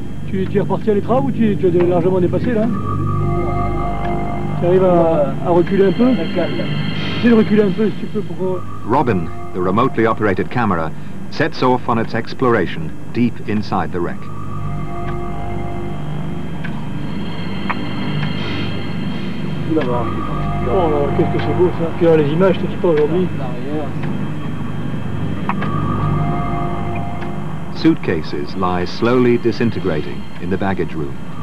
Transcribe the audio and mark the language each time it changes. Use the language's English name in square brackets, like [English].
[French] Tu es reparti à l'étrave ou tu as largement dépassé là? Tu arrives à reculer un peu? Essaye de reculer un peu si tu peux pour... [English] Robin, the remotely operated camera, sets off on its exploration deep inside the wreck. [French] Oh là, qu'est-ce que c'est beau ça! Tu as les images, t'as-tu pas aujourd'hui? [English] Suitcases lie slowly disintegrating in the baggage room.